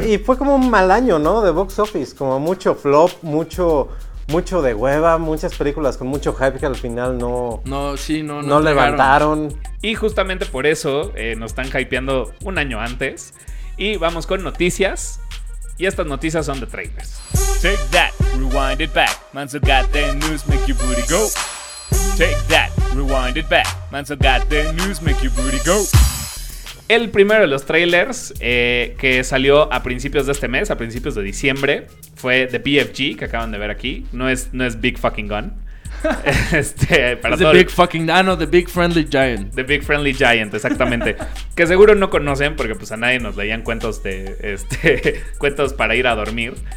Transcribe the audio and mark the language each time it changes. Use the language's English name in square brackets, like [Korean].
[Spanish] Y fue como un mal año, ¿no? De box office, como mucho flop, mucho... mucho de hueva, muchas películas con mucho hype que al final no levantaron. Y justamente por eso nos están hypeando un año antes. Y vamos con noticias. Y estas noticias son de trailers. [English] Take that, rewind it back. Man's got the news, make your booty go. Take that, rewind it back. Man's got the news, make your booty go. [Spanish] El primero de los trailers que salió a principios de este mes, a principios de diciembre, fue The BFG, que acaban de ver aquí. No es Big Fucking Gun. The Big Friendly Giant. The Big Friendly Giant, exactamente. Que seguro no conocen porque pues a nadie nos leían cuentos de cuentos para ir a dormir.